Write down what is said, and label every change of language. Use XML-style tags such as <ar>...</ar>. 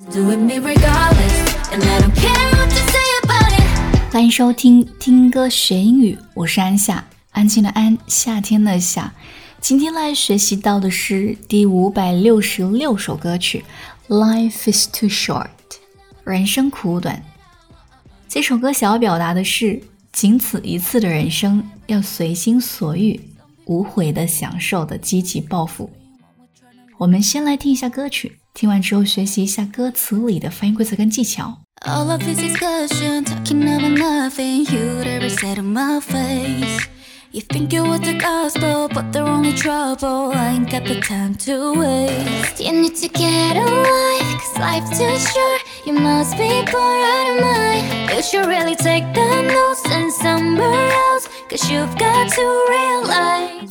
<en>doing me regardless, and I don't care what you say about it.</en> <zh>欢迎收听听歌学英语，我是安夏，安静的安，夏天的夏。今天来学习到的是第566首歌曲</zh> <en>Life is too short，</en> <zh>人生苦短。这首歌想要表达的是仅此一次的人生要随心所欲无悔的享受的积极抱负。我们先来听一下歌曲，听完之后学习一下歌词里的发音规则跟技巧。</zh> <en>All of this discussion talking about nothing you'd ever say to my faceYou think you're worth the gospel, but they're only trouble. I ain't got the time to waste. You need to get a life, cause life's too short. You must be bored out of mind. You should really take the notes and somewhere else, cause you've got to realize.</en>